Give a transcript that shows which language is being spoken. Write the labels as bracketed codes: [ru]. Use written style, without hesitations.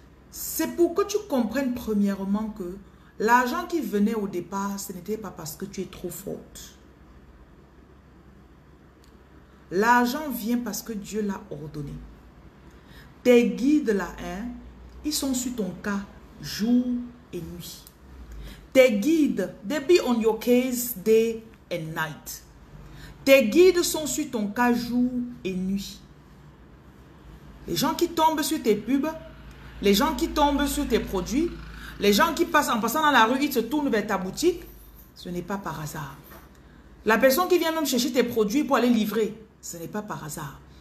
[fr] C'est pour que tu comprennes premièrement que l'argent qui venait au départ, ce n'était pas parce que tu es trop forte. L'argent vient parce que Dieu l'a ordonné. Tes guides là, hein, ils sont sur ton cas jour et nuit. Tes guides, [en] they be on your case day and night. [fr] Tes guides sont sur ton cas jour et nuit. Les gens qui tombent sur tes pubs, les gens qui tombent sur tes produits, les gens qui passent en passant dans la rue, ils se tournent vers ta boutique, ce n'est pas par hasard. La personne qui vient même chercher tes produits pour aller livrer, ce n'est pas par hasard.